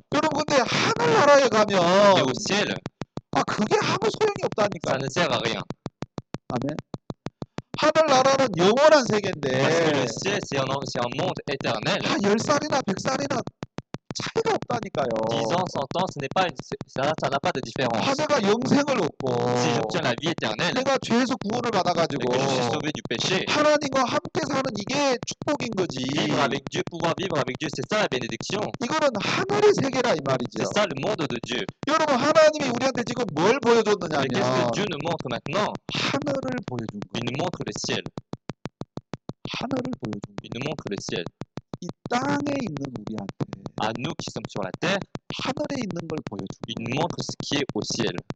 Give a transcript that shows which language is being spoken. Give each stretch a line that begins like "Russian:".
Korean: 여러분, 근데 하늘나라에 가면
French: Mais au ciel,
Korean: 아, 그게 아무 소용이 없다니까.
French: Ça ne sert à rien.
Korean: 아멘. 하늘나라는 영원한 세계인데
French: Parce que le ciel, c'est un monde éternel.
Korean: 아, 10살이나 100살이나 차이가 없다니까요.
French: 10 ans, 100 ans, ce n'est pas ça n'a pas de différence.
Korean: 내가 영생을 얻고
French: si j'obtiens la vie éternelle,
Korean: 내가 죄에서 구원을 받아가지고
French: et que je suis sauvé du péché,
Korean: 하나님과 함께 사는 이게 축복인 거지.
French: Vivre avec Dieu, pouvoir vivre avec Dieu, c'est ça la bénédiction.
Korean: 이거는 하늘의 세계라 이 말이죠.
French: C'est ça le monde de Dieu.
Korean: 여러분, 하나님이 우리한테 지금 뭘 보여줬느냐 하면
French: Mais qu'est-ce que Dieu nous montre maintenant?
Korean: 하늘을 보여준 거예요.
French: Il nous montre le ciel.
Korean: 하늘을 보여준 거예요.
French: Il nous montre le ciel.
Korean: 이 땅에 있는 우리한테
French: À nous qui sommes sur la terre, il nous montre ce qui est au ciel.